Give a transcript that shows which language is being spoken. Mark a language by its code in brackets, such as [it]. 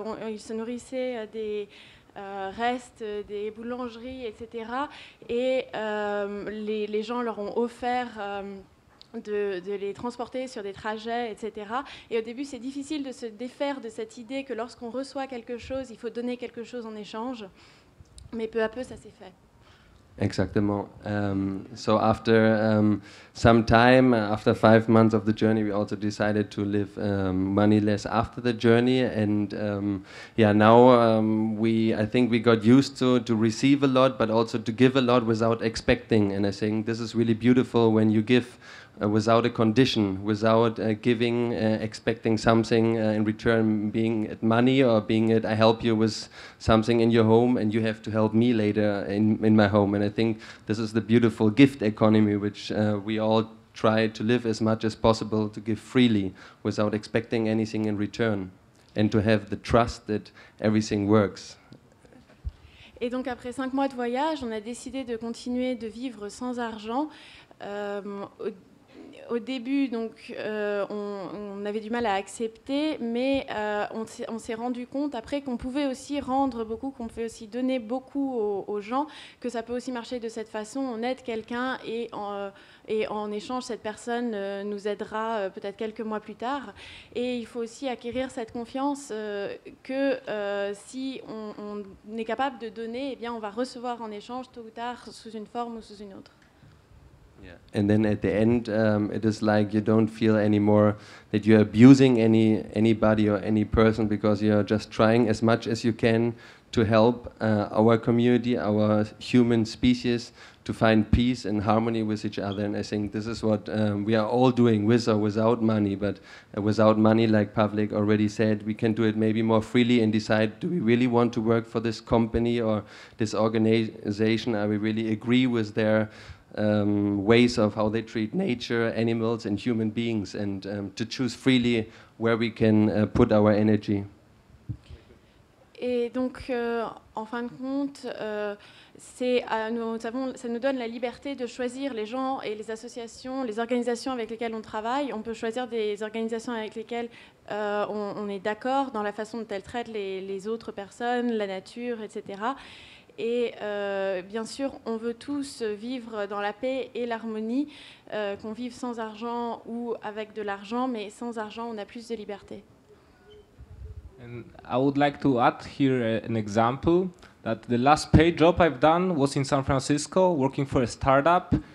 [fr] Ils se nourrissaient des restes des boulangeries, etc. Et les gens leur ont offert de les transporter sur des trajets, etc. Et au début, c'est difficile de se défaire de cette idée que lorsqu'on reçoit quelque chose, il faut donner quelque chose en échange. Mais peu à peu, ça s'est fait. Exactement. [en] So after some time, after 5 months of the journey, we also decided to live moneyless after the journey. And yeah, now we got used to receive a lot, but also to give a lot without expecting. And I think this is really beautiful when you give without a condition, without giving, expecting something in return, being it money or being it I help you with something in your home and you have to help me later in my home. And I think this is the beautiful gift economy, which we all try to live as much as possible, to give freely without expecting anything in return, and to have the trust that everything works. [fr] Et donc après 5 mois de voyage, on a décidé de continuer de vivre sans argent. Au début, donc, on avait du mal à accepter, mais on s'est rendu compte après qu'on pouvait aussi rendre beaucoup, qu'on pouvait aussi donner beaucoup aux gens, que ça peut aussi marcher de cette façon. On aide quelqu'un et en échange, cette personne nous aidera peut-être quelques mois plus tard. Et il faut aussi acquérir cette confiance que si on est capable de donner, eh bien, on va recevoir en échange tôt ou tard, sous une forme ou sous une autre. [en] Yeah. And then at the end, it is like you don't feel anymore that you're abusing anybody or any person, because you're just trying as much as you can to help our community, our human species, to find peace and harmony with each other. And I think this is what we are all doing, with or without money. But without money, like Pavlik already said, we can do it maybe more freely and decide, do we really want to work for this company or this organization? Are we really agree with their ways of how they treat nature, animals, and human beings, and to choose freely where we can put our energy. [fr] Et donc, en fin de compte, ça nous donne la liberté de choisir les gens et les associations, les organisations avec lesquelles on travaille. On peut choisir des organisations avec lesquelles on est d'accord dans la façon dont elles traitent les autres personnes, la nature, etc. Et bien sûr, on veut tous vivre dans la paix et l'harmonie, qu'on vive sans argent ou avec de l'argent, mais sans argent, on a plus de liberté. [en] And I would like to add here an example, that the last paid job I've done was in San Francisco, working for a startup.